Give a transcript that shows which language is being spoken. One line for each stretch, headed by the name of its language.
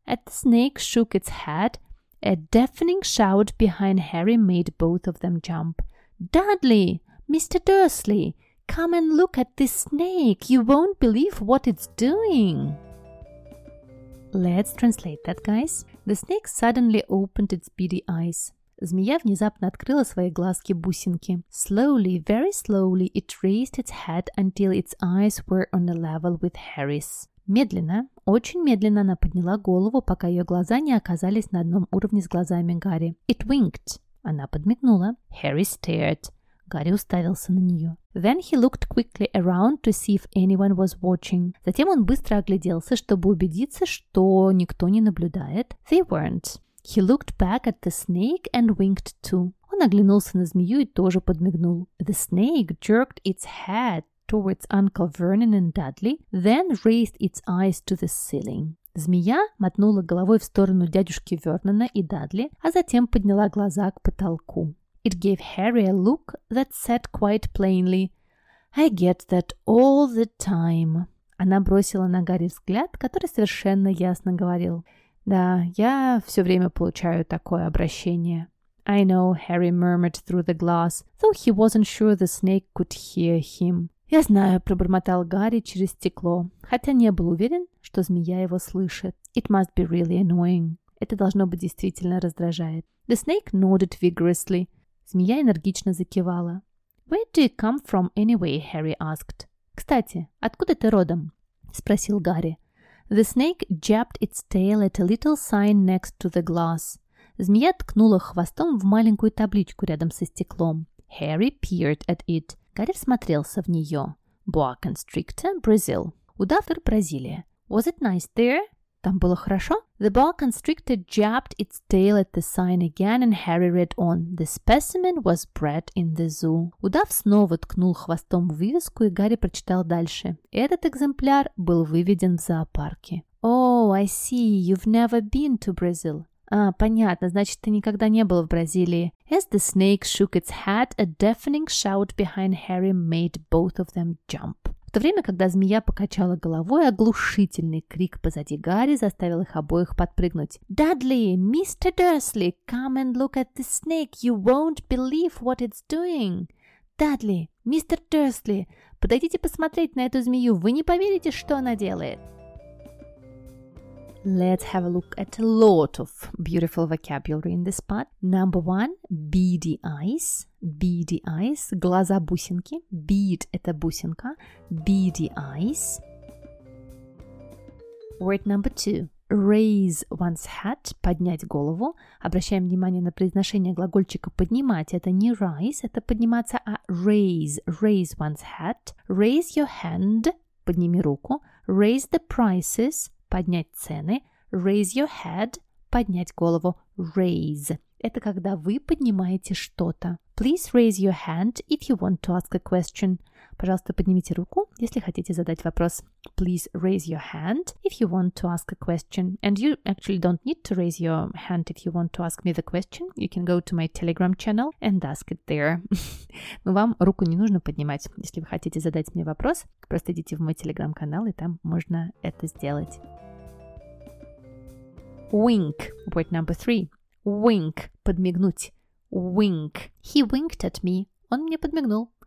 English: As the snake shook its head, a deafening shout behind Harry made both of them jump. Dudley! Mr. Dursley! Come and look at this snake! You won't believe what it's doing! Let's translate that, guys. The snake suddenly opened its beady eyes.
Russian: Змея внезапно открыла свои глазки-бусинки.
English: Slowly, very slowly, it raised its head until its eyes were on a level with Harry's.
Russian: Медленно, очень медленно она подняла голову, пока ее глаза не оказались на одном уровне с глазами Гарри.
English: It winked.
Russian: Она подмигнула.
English: Harry stared.
Russian: Гарри уставился на нее.
English: Then he looked quickly around to see if anyone was watching.
Russian: Затем он быстро огляделся, чтобы убедиться, что никто не наблюдает.
English: They weren't. He looked back at the snake and winked too.
Russian: Он оглянулся на змею и тоже подмигнул.
English: The snake jerked its head towards Uncle Vernon and Dudley, then raised its eyes to the ceiling.
Russian: Змея мотнула головой в сторону дядюшки Вернона и Дадли, а затем подняла глаза к потолку.
English: It gave Harry a look that said quite plainly, I get that all the time.
Russian: Она бросила на Гарри взгляд, который совершенно ясно говорил. Да, я все время получаю такое обращение.
English: I know, Harry murmured through the glass, though he wasn't sure the snake could hear him.
Russian: Я знаю, пробормотал Гарри через стекло, хотя не был уверен, что змея его слышит.
English: It must be really annoying.
Russian: Это должно быть действительно раздражает.
English: The snake nodded vigorously.
Russian: Змея энергично закивала.
English: Where do you come from anyway? Harry asked.
Russian: Кстати, откуда ты родом? Спросил Гарри.
English: The snake jabbed its tail at a little sign next to the glass.
Russian: Змея ткнула хвостом в маленькую табличку рядом со стеклом.
English: Harry peered at it.
Russian: Гарри всмотрелся в нее.
English: Boa constrictor, Brazil.
Russian: Удав – Бразилия.
English: Was it nice there?
Russian: Там было хорошо?
English: The boa constrictor jabbed its tail at the sign again, and Harry read on. The specimen was bred in the zoo.
Russian: Удав снова ткнул хвостом в вывеску, и Гарри прочитал дальше. Этот экземпляр был выведен в зоопарке.
English: Oh, I see. You've never been to Brazil.
Russian: А, понятно, значит, ты никогда не был в Бразилии.
English: As the snake shook its head, a deafening shout behind Harry made both of them jump.
Russian: В то время, когда змея покачала головой, оглушительный крик позади Гарри заставил их обоих подпрыгнуть.
English: Dudley, Mr. Dursley, come and look at the snake. You won't believe what it's doing. Dudley, Mr.
Russian: Dursley, подойдите посмотреть на эту змею. Вы не поверите, что она делает.
English: Let's have a look at a lot of beautiful vocabulary in this part. Number one, beady eyes. Beady eyes.
Russian: Глаза бусинки. Bead – это бусинка.
English: Beady eyes. Word number two. Raise one's hat.
Russian: Поднять голову. Обращаем внимание на произношение глагольчика «поднимать». Это не rise, это подниматься, а raise.
English: Raise one's hat. Raise your hand.
Russian: Подними руку.
English: Raise the prices.
Russian: Поднять цены.
English: Raise your head.
Russian: Поднять голову. Raise. Это когда вы поднимаете что-то.
English: Please raise your hand if you want to ask a question.
Russian: Пожалуйста, поднимите руку, если хотите задать вопрос.
English: Please raise your hand if you want to ask a question. And you actually don't need to raise your hand if you want to ask me the question. You can go to my Telegram channel and ask it there.
Russian: Но вам руку не нужно поднимать. Если вы хотите задать мне вопрос, просто идите в мой Telegram-канал, и там можно это сделать.
English: Wink. Word number three. Wink.
Russian: Подмигнуть.
English: Wink. He winked at me.
Russian: Он мне подмигнул.